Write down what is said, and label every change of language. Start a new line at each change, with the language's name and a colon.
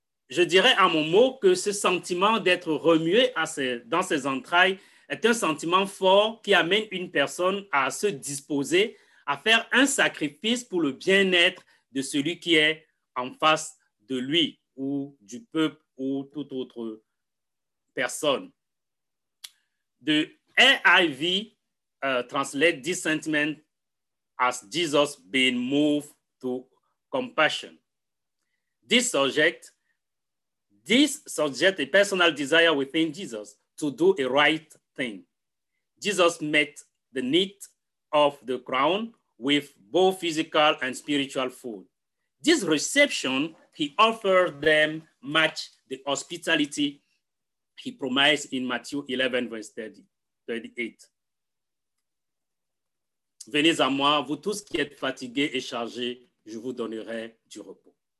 French: Je dirais à mon mot que ce sentiment d'être remué dans ses entrailles est un sentiment fort qui amène une personne à se disposer à faire un sacrifice pour le bien-être de celui qui est en face de lui ou du peuple ou toute autre personne.
English: The NIV translate this sentiment as Jesus being moved to compassion. This suggests a personal desire within Jesus to do a right thing. Jesus met the need of the crowd with both physical and spiritual food. This reception he offered them matched the hospitality he promised in Matthew 11, verse 38.
French: Venez à moi, vous tous qui êtes fatigués et chargés, je vous donnerai du repos.